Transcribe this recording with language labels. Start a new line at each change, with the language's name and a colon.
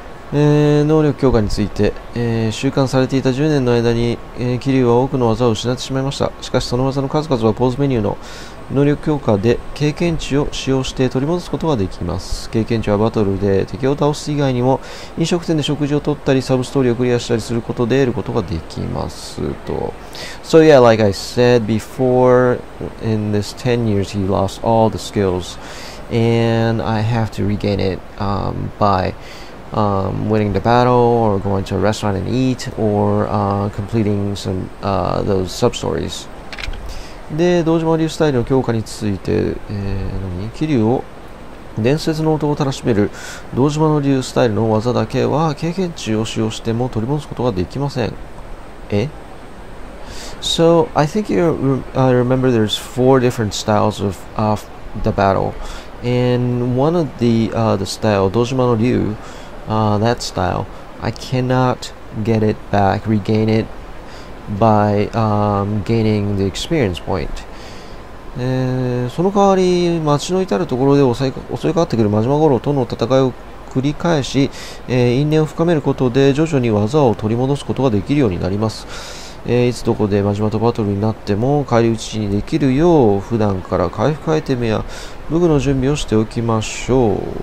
Japanese: 能力強化について、収監されていた10年の間に、キリュウは多くの技を失ってしまいました。しかしその技の数々はポーズメニューの能力強化で経験値を使用して取り戻すことができます。経験値はバトルで敵を倒す以外にも飲食店で食事を取ったりサブストーリーをクリアしたりすることで得ることができます。
English: と So yeah, like I said before, in this 10 years he lost all the skills and I have to regain it byWinning the battle, or going to a restaurant and eat, or completing some those sub stories.
Japanese: で、道島流スタイルの強化について、何？キリュウを伝説の音をたらしめる道島の流スタイルの技だけは経験値を使用しても取り戻すことができません。え？
English: So I think you remember there's four different styles of the battle, and one of the style 道島の流that style, I cannot get it back, regain it by gaining the experience point.
Japanese: その代わり、町の至るところで襲いかかってくるマジマゴロウとの戦いを繰り返し、因縁を深めることで徐々に技を取り戻すことができるようになります。いつどこでマジマとバトルになっても返り討ちにできるよう普段から回復アイテムや武具の準備をしておきましょう。